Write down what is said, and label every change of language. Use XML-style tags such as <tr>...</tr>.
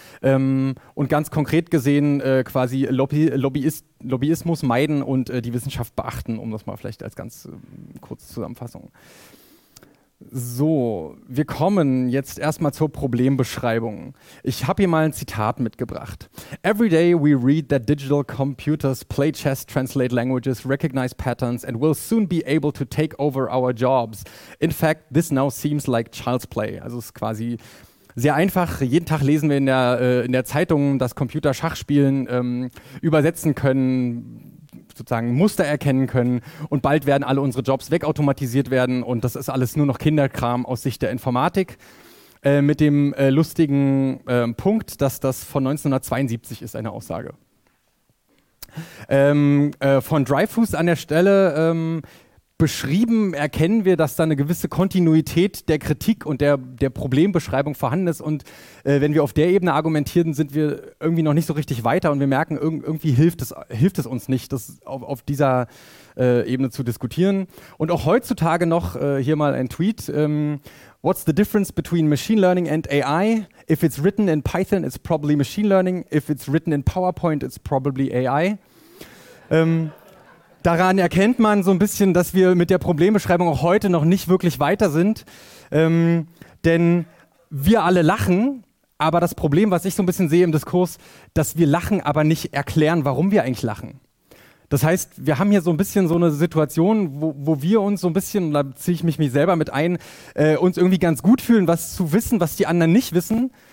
<de>Und ganz konkret gesehen, quasi Lobbyismus meiden und die Wissenschaft beachten, um das mal vielleicht als ganz kurze Zusammenfassung. So, wir kommen jetzt erstmal zur Problembeschreibung. Ich habe hier mal ein Zitat mitgebracht.</de> <en>Every day we read that digital computers play chess, translate languages, recognize patterns and will soon be able to take over our jobs. In fact, this now seems like child's play.</en> <de>Also es ist quasi sehr einfach. Jeden Tag lesen wir in der Zeitung, dass Computer Schach spielen, übersetzen können, sozusagen Muster erkennen können und bald werden alle unsere Jobs wegautomatisiert werden und das ist alles nur noch Kinderkram aus Sicht der Informatik. Mit dem lustigen Punkt, dass das von 1972 ist, eine Aussage. Von Dreyfus an der Stelle beschrieben erkennen wir, dass da eine gewisse Kontinuität der Kritik und der Problembeschreibung vorhanden ist und wenn wir auf der Ebene argumentieren, sind wir irgendwie noch nicht so richtig weiter und wir merken, irgendwie hilft es uns nicht, das auf dieser Ebene zu diskutieren. Und auch heutzutage noch, hier mal ein Tweet,</de> <en>What's the difference between machine learning and AI? If it's written in Python, it's probably machine learning. If it's written in PowerPoint, it's probably AI.</en> <de>Daran erkennt man so ein bisschen, dass wir mit der Problembeschreibung auch heute noch nicht wirklich weiter sind. Denn wir alle lachen, aber das Problem, was ich so ein bisschen sehe im Diskurs, dass wir lachen, aber nicht erklären, warum wir eigentlich lachen. Das heißt, wir haben hier so ein bisschen so eine Situation, wo wir uns so ein bisschen, da ziehe ich mich selber mit ein, uns irgendwie ganz gut fühlen, was zu wissen, was die anderen nicht wissen.</de>